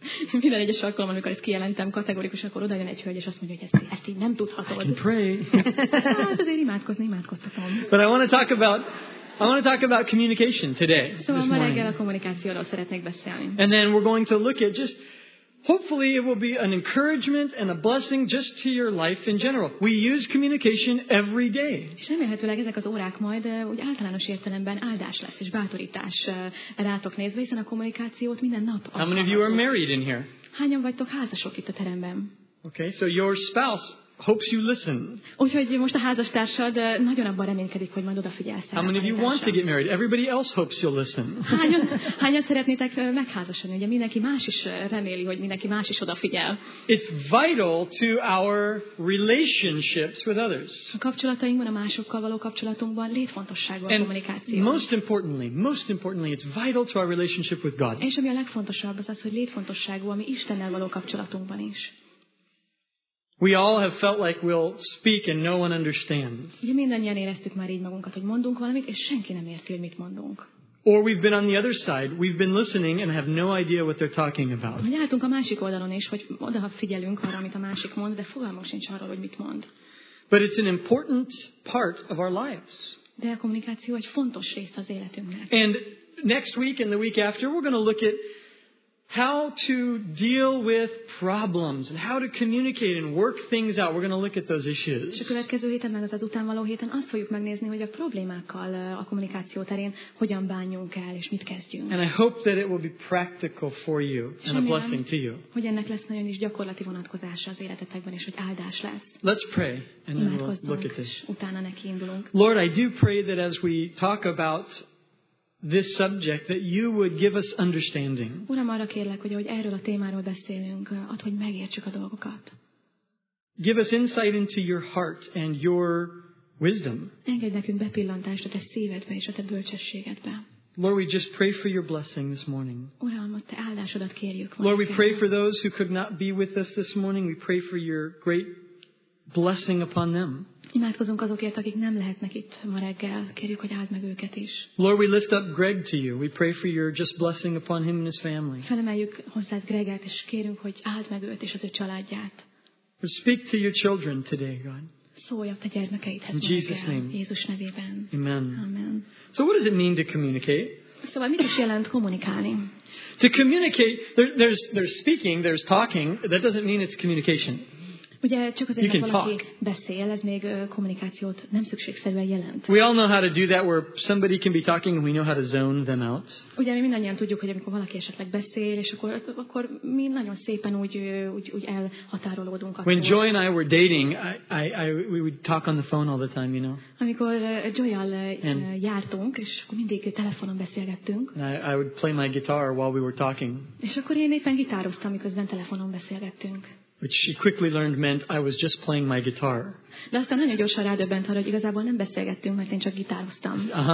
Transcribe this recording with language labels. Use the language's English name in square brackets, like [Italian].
[Hungarian] Minden egyes alkalom, amikor ezt kijelentem kategorikusan, akkor odajön egy hölgy, és azt mondja, hogy ezt így nem tudhatod. [English] I can pray. [Hungarian] Hát azért imádkoztatom. [English] But I want to talk about communication today. [Hungarian] Szóval ma reggel a kommunikációról szeretnék beszélni. [English] And then we're going to look at just, hopefully it will be an encouragement and a blessing just to your life in general. We use communication every day. [Hungarian] És remélhetőleg ezek az órák majd úgy általános értelemben áldás lesz és bátorítás rátok nézve, hiszen a kommunikációt minden nap. [English] How many of you are married in here? [Hungarian] Hányan vagytok házasok itt a teremben? [English] Okay, so your spouse hopes you listen. [Hungarian] Úgyhogy most a házastársad nagyon abban reménykedik, hogy majd odafigyelsz. [English] How many of you want to get married? Everybody else hopes you'll listen. [Hungarian] Hányan szeretnétek megházasodni? Ugye mindenki más is reméli, hogy mindenki más is odafigyel. [English] It's vital to our relationships with others. [Hungarian] A kapcsolatainkban, a másokkal való kapcsolatunkban létfontosságú a kommunikáció. [English] Most importantly, it's vital to our relationship with God. [Hungarian] És ami a legfontosabb, az, hogy létfontosságú a mi Istennel való kapcsolatunkban is. [English] We all have felt like we'll speak and no one understands. [Hungarian] Mindannyian éreztük már így magunkat, hogy mondunk valamit, és senki nem érti, hogy mit mondunk. [English] Or we've been on the other side. We've been listening and have no idea what they're talking about. [Hungarian] Lehetünk a másik oldalon is, hogy oda figyelünk arra, amit a másik mond, de fogalmunk sincs arról, hogy mit mond. [English] But it's an important part of our lives. [Hungarian] De a kommunikáció egy fontos része az életünknek. [English] And next week and the week after, we're going to look at how to deal with problems and how to communicate and work things out. We're going to look at those issues. [Hungarian] A következő héten, meg az utánvaló héten azt fogjuk megnézni, hogy a problémákkal a kommunikáció terén hogyan bánjunk el és mit kezdjünk. [English] And I hope that it will be practical for you and a blessing to you. [Hungarian] Hogy ennek lesz nagyon is gyakorlati vonatkozása az életetekben és hogy áldás lesz. [English] Let's pray and then we'll look at this. [Hungarian] Utána nekiindulunk. [English] Lord, I do pray that as we talk about this subject that you would give us understanding. [Hungarian] Uram, arra kérlek, hogy ahogy erről a témáról beszélünk, add, hogy megértsük a dolgokat. [English] Give us insight into your heart and your wisdom. [Hungarian] Engedj nekünk bepillantást a te szívedbe és a te bölcsességedbe. [English] Lord, we just pray for your blessing this morning. [Hungarian] Uram, a te áldásodat kérjük. [English] Lord, we pray for those who could not be with us this morning. We pray for your great blessing upon them. [Hungarian] Imádkozunk azokért, akik nem lehetnek itt ma reggel. Kérjük, hogy áld meg őket is. [English] Lord, we lift up Greg to you. We pray for your just blessing upon him and his family. [Hungarian] Felemeljük hozzád Greget, és kérünk, hogy áld meg őt és az ő családját. [English] Lord, speak to your children today, God. [Hungarian] Szólj a te gyermekeidhez. [English] In Jesus name. [Hungarian] Jézus nevében. [English] Amen. [Hungarian] Amen. [English] So what does it mean to communicate? [Hungarian] Szóval mit is jelent kommunikálni? [English] To communicate, there's speaking, there's talking. That doesn't mean it's communication. [Hungarian] Ugye csak azért, mert valaki beszél, ez még kommunikációt nem szükségszerűen jelent. [English] We all know how to do that where somebody can be talking and we know how to zone them out. [Hungarian] Ugye mi mindannyian tudjuk, hogy amikor valaki esetleg beszél, és akkor mi nagyon szépen úgy elhatárolódunk. [English] When Joy and I were dating, we would talk on the phone all the time, you know. [Hungarian] Amikor Joy-al jártunk, és akkor mindig telefonon beszélgettünk. [English] I would play my guitar while we were talking. [Hungarian] És akkor én éppen gitároztam, miközben telefonon beszélgettünk. [English] Which she quickly learned meant I was just playing my guitar. [Hungarian] De aztán nagyon gyorsan rádöbbent arra, hogy igazából nem beszélgettünk, mert én csak gitároztam.